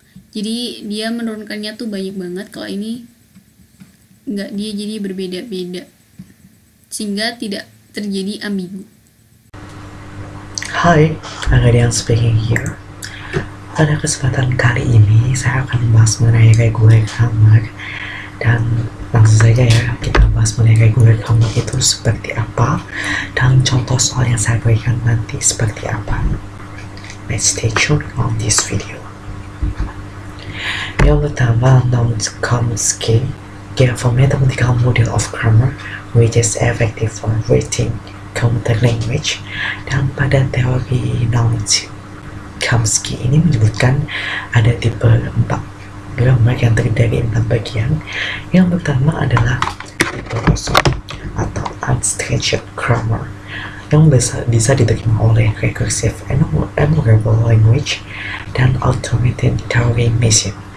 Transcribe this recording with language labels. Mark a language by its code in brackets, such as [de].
[id] Jadi dia menurunkannya tuh banyak banget, kalau ini enggak, dia jadi berbeda-beda. Sehingga tidak terjadi ambigu. [en] Hi, Agadian speaking here. [id] Pada kesempatan kali ini, saya akan membahas mengenai regular grammar. Dan langsung saja ya, kita bahas mengenai regular grammar itu seperti apa. Dan contoh soal yang saya berikan nanti seperti apa. [en] Let's stay tuned on this video. [id] Yang pertama, [en] noun Chomsky gave a mathematical model of grammar which is effective for writing computer language. [id] Dan pada teori noun Chomsky ini menyebutkan ada tipe 4 grammar yang terdiri dari 4 bagian. Yang pertama adalah tipe kosong atau unstructured grammar yang bisa diterima oleh [en] recursive and memorable language [id] dan [en] automated Turing machine.